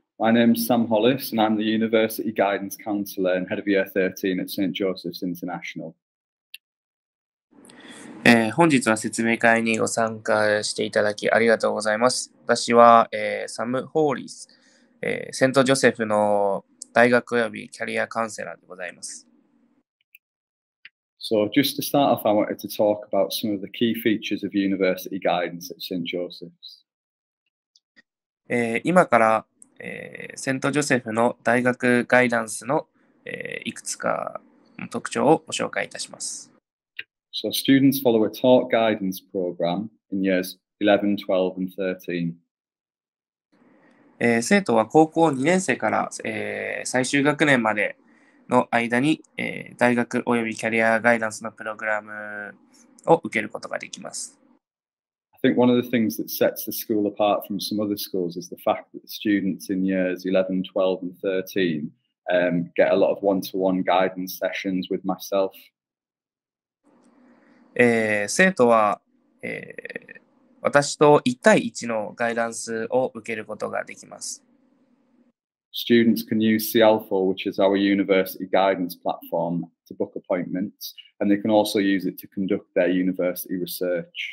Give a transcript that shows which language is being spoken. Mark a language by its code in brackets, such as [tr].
[en] My name's Sam Hollis, and I'm the University Guidance Counselor and Head of Year 13 at St. Joseph's International. [ja] 本日は説明会にご参加していただきありがとうございます。私は、サム・ホーリス、セント・ジョセフの大学及びキャリアカウンセラーでございます。 [en] So, just to start off, I wanted to talk about some of the key features of university guidance at St. Joseph's. [ja] 今から、セント・ジョセフの大学ガイダンスの、いくつかの特徴をご紹介いたします。 [en] So students follow a taught guidance program in years 11, 12, and 13. [ja] 生徒は高校2年生から、最終学年までの間に、大学およびキャリアガイダンスのプログラムを受けることができます。 [en] I think one of the things that sets the school apart from some other schools is the fact that students in years 11, 12, and 13, get a lot of one-to-one guidance sessions with myself. [ja] 生徒は、私と1対1のガイダンスを受けることができます。 [en] Students can use Cialpho, which is our university guidance platform, to book appointments, and they can also use it to conduct their university research.